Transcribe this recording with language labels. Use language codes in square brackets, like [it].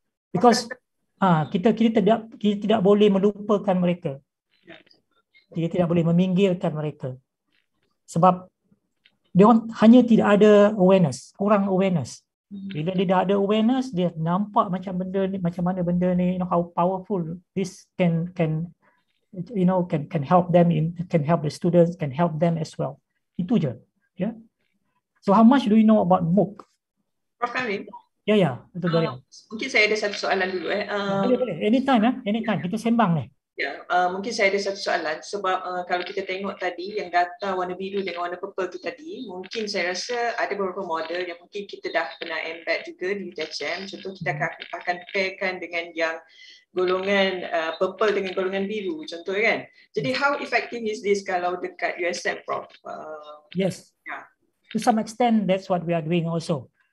[ms] Because kita tidak boleh melupakan mereka. Kita tidak boleh meminggirkan mereka. Sebab dia hanya tidak ada awareness, kurang awareness. Bila dia dah ada awareness, dia nampak macam benda ni, [en] macam mana benda ni, you know, how powerful this can help them, in can help the students, can help them as well. [ms] Itu je. [en] Yeah. So how much do you know about MOOC? Prof Karim. [ms] Ya, betul boleh. Mungkin saya ada satu soalan dulu Boleh. Anytime. Kita sembang ni. Mungkin saya ada satu soalan sebab kalau kita tengok tadi yang data warna biru dengan warna purple tu tadi, mungkin saya rasa ada beberapa model yang mungkin kita dah pernah embed juga di UTHM. Contoh kita akan pairkan dengan yang golongan purple dengan golongan biru, contoh kan. [en] Jadi how effective is this kalau dekat USM, Prof? Yes. To some extent, that's what we are doing also.